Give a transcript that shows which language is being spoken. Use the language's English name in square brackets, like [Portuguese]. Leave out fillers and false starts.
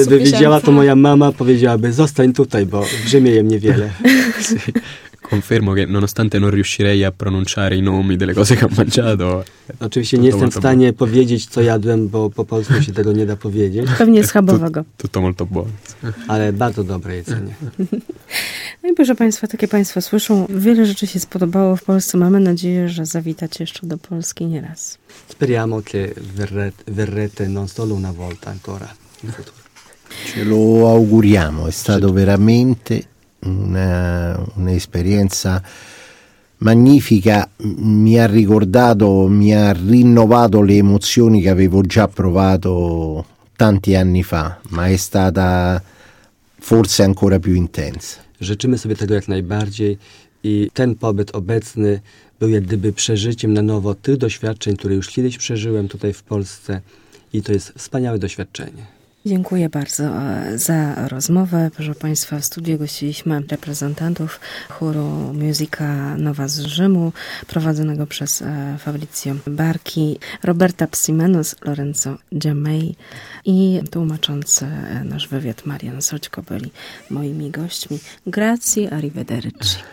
[Polish] Gdyby widziała to moja mama, powiedziałaby, zostań tutaj, bo w Rzymie jem niewiele. [Italian] Sì. Confermo che nonostante non riuscirei a pronunciare i nomi delle cose che ho mangiato. [Polish] Oczywiście nie jestem w stanie powiedzieć, co jadłem, bo po polsku się tego nie da powiedzieć. Pewnie schabowego. [Italian] Tutto molto buono. [Polish] Ale bardzo dobre jedzenie. No i proszę Państwa, takie Państwo słyszą. Wiele rzeczy się spodobało w Polsce. Mamy nadzieję, że zawitacie jeszcze do Polski nieraz. [Italian] Speriamo che verrete non solo una volta ancora. Ce lo auguriamo. È stato veramente un'esperienza magnifica, mi ha rinnovato le emozioni che avevo già provato tanti anni fa, ma è stata forse ancora più intensa. [Polish] Życzymy sobie tego jak najbardziej i ten pobyt obecny był jak gdyby przeżyciem na nowo tych doświadczeń, które już kiedyś przeżyłem tutaj w Polsce i to jest wspaniałe doświadczenie. Dziękuję bardzo za rozmowę. Proszę Państwa, w studiu gościliśmy reprezentantów chóru Musica Nova z Rzymu, prowadzonego przez Fabrizio Barki, Roberta Psimenos, Lorenzo Giammei i tłumaczący nasz wywiad Marian Soćko byli moimi gośćmi. [Italian] Grazie, arrivederci.